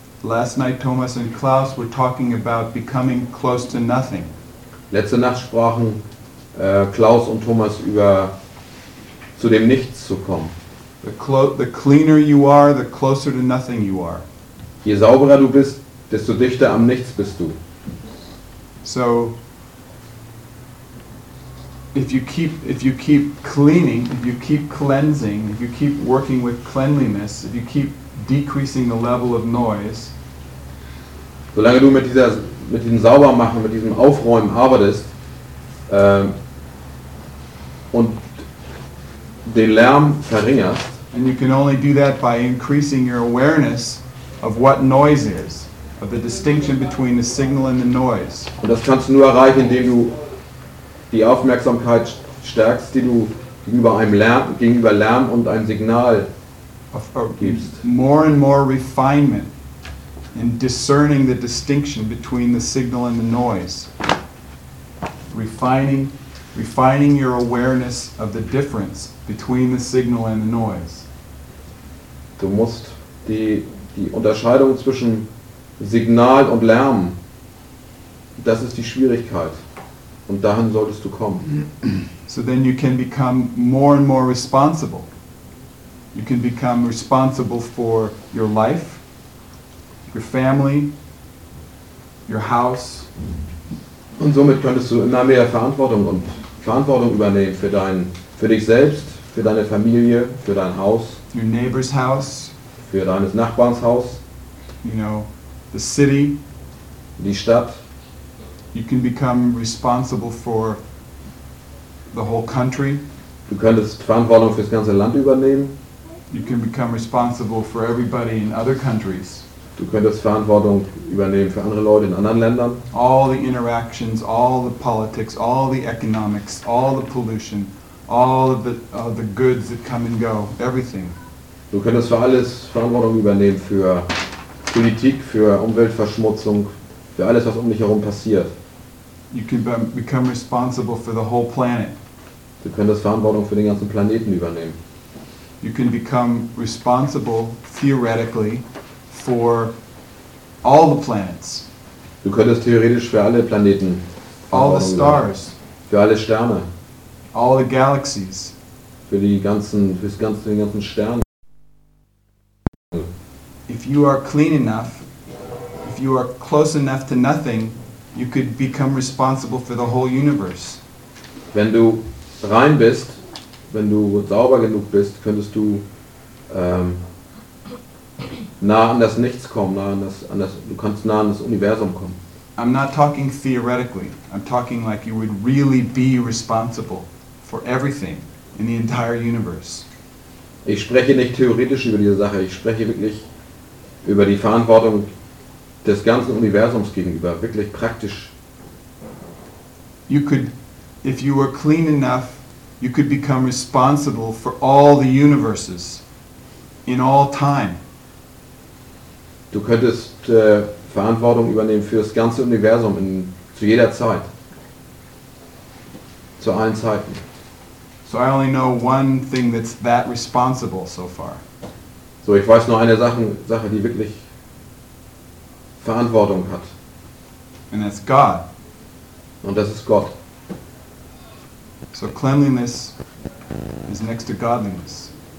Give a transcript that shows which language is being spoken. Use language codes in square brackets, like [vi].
[en] Last night Thomas and Klaus were talking about becoming close to nothing. [de] Letzte Nacht sprachen Klaus und Thomas über zu dem Nichts zu kommen. [en] The cleaner you are, the closer to nothing you are. [de] Je sauberer du bist, desto dichter am Nichts bist du. [en] So, if you keep cleaning, if you keep cleansing, if you keep working with cleanliness, if you keep decreasing the level of noise. [de] Solange du mit diesem Saubermachen, mit diesem Aufräumen arbeitest und den Lärm verringerst. [en] And you can only do that by increasing your awareness of what noise is, of the distinction between the signal and the noise. [de] Und das kannst du nur erreichen, indem du die Aufmerksamkeit stärkst, die du gegenüber einem Lärm, gegenüber Lärm und einem Signal gibst. [en] More and more refinement in discerning the distinction between the signal and the noise. Refining your awareness of the difference between the signal and the noise. [de] Du musst die Unterscheidung zwischen Signal und Lärm, das ist die Schwierigkeit. Und dahin solltest du kommen. [en] So then you can become more and more responsible. You can become responsible for your life, your family, your house. [de] Und somit könntest du immer mehr Verantwortung und Verantwortung übernehmen für dich selbst, für deine Familie, für dein Haus. [en] Your neighbor's house. [de] Für deines Nachbarns Haus. [en] You know, the city. [de] Die Stadt. [en] You can become responsible for the whole country. [de] Du könntest Verantwortung fürs ganze Land übernehmen. [en] You can become responsible for everybody in other countries. [de] Du könntest Verantwortung übernehmen für andere Leute in anderen Ländern. [en] All the interactions, all the politics, all the economics, all the pollution, all of the goods that come and go, everything. [de] Du könntest für alles Verantwortung übernehmen, für Politik, für Umweltverschmutzung, für alles, was um dich herum passiert. [en] You can become responsible for the whole planet. [de] Du könntest Verantwortung für den ganzen Planeten übernehmen. [en] You can become responsible, theoretically, for all the planets. [de] Du könntest theoretisch für alle Planeten. [en] All the stars. [de] Für alle Sterne. [en] All the galaxies. [de] Für die ganzen, für den ganzen Stern. [en] If you are clean enough, if you are close enough to nothing, you could become responsible for the whole universe. [de] Wenn du rein bist, wenn du sauber genug bist, könntest du nah an das Nichts kommen, du kannst nah an das Universum kommen. [en] I'm not talking theoretically. I'm talking like you would really be responsible for everything in the entire universe. [de] Ich spreche nicht theoretisch über diese Sache, ich spreche wirklich über die Verantwortung des ganzen Universums gegenüber, wirklich praktisch. [en] You could, if you were clean enough, you could become responsible for all the universes in all time. [de] Du könntest Verantwortung übernehmen für das ganze Universum in, zu jeder Zeit, zu allen Zeiten. [en] So I only know one thing that's that responsible so far. [de] So, ich weiß nur eine Sache, die wirklich Verantwortung hat. [en] And that's God. [de] Und das ist Gott. [en] So cleanliness is next to godliness.